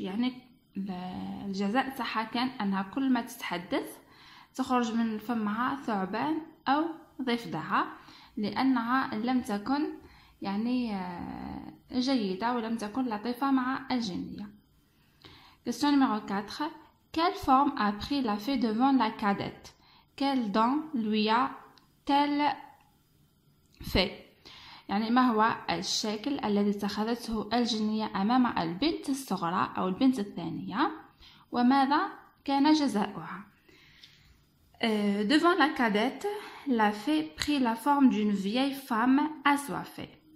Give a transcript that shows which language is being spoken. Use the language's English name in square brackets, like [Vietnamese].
[Arabic] يعني الجزاء تاعها كان أنها كل ما تتحدث تخرج من فمها ثعبان أو ضفدعة، لأنها لم تكن يعني جيدة ولم تكن لطيفة مع الجنية. [French] Question numéro 4. Quelle forme a pris la fée devant la cadette? Quel don lui a-t-elle fait? [Arabic] يعني ما هو الشكل الذي اتخذته الجنية أمام البنت الصغرى أو البنت الثانية؟ وماذا كان جزاؤها؟ [French] Devant la cadette, la fée prit la forme d'une vieille femme assoiffée.